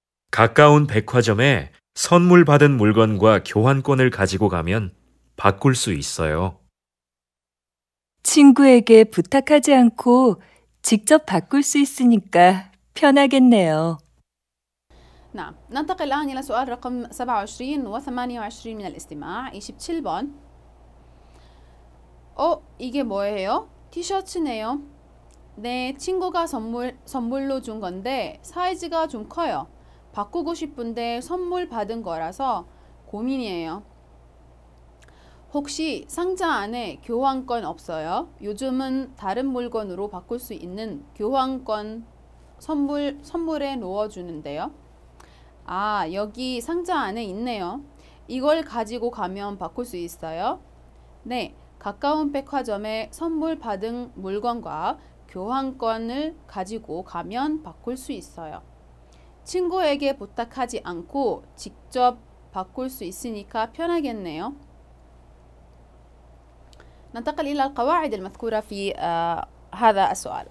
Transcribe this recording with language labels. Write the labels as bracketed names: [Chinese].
[Korean] 가까운 백화점에 선물 받은 물건과 교환권을 가지고 가면 바꿀 수 있어요. 친구에게 부탁하지 않고 직접 바꿀 수 있으니까 편하겠네요. 네, [Arabic] ننتقل الآن إلى سؤال رقم 27 و28 من الاستماع [Korean] 27번 어? 이게 뭐예요? 티셔츠네요. 네, 친구가 선물로 준 건데 사이즈가 좀 커요. 바꾸고 싶은데 선물 받은 거라서 고민이에요. 혹시 상자 안에 교환권 없어요? 요즘은 다른 물건으로 바꿀 수 있는 교환권 선물에 넣어주는데요. 아, 여기 상자 안에 있네요. 이걸 가지고 가면 바꿀 수 있어요? 네. 가까운 백화점에 선물 받은 물건과 교환권을 가지고 가면 바꿀 수 있어요. 친구에게 부탁하지 않고 직접 바꿀 수 있으니까 편하겠네요. [Arabic] ننتقل إلى القواعد المذكورة في هذا السؤال.